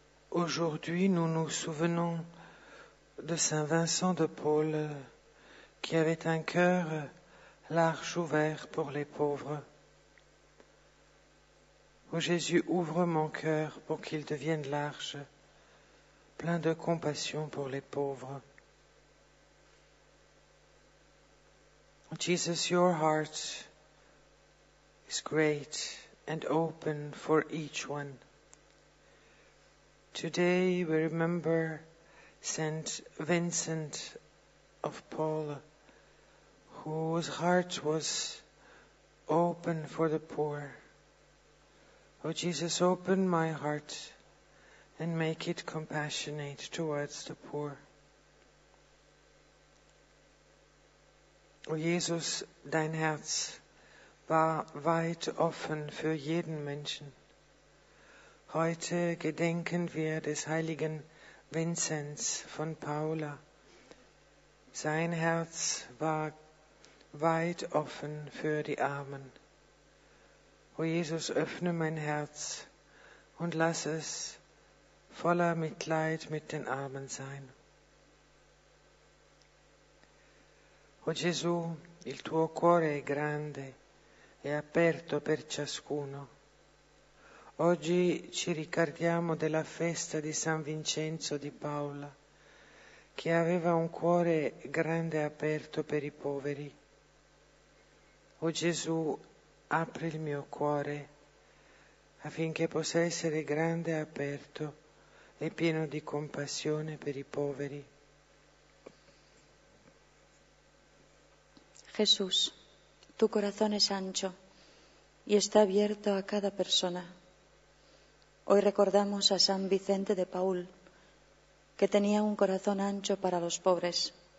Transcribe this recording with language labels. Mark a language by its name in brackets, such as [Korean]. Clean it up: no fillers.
[French] Aujourd'hui, nous nous souvenons de Saint Vincent de Paul qui avait un cœur large ouvert pour les pauvres. Ô Jésus, ouvre mon cœur pour qu'il devienne large, plein de compassion pour les pauvres. [English] Jesus, your heart is great and open for each one. Today we remember Saint Vincent of Paul, whose heart was open for the poor. O Jesus, open my heart and make it compassionate towards the poor. [German] O Jesus, dein Herz war weit offen für jeden Menschen. Heute gedenken wir des heiligen Vinzenz von Paula. Sein Herz war weit offen für die Armen. O Jesus, öffne mein Herz und lass es voller Mitleid mit den Armen sein. [Italian] O Gesù, il tuo cuore è grande, è aperto per ciascuno. Oggi ci ricordiamo della festa di San Vincenzo di Paola, che aveva un cuore grande e aperto per i poveri. O Gesù, apri il mio cuore affinché possa essere grande e aperto e pieno di compassione per i poveri. [Spanish] Jesús, tu corazón es ancho y está abierto a cada persona. Hoy recordamos a San Vicente de Paul, que tenía un corazón ancho para los pobres.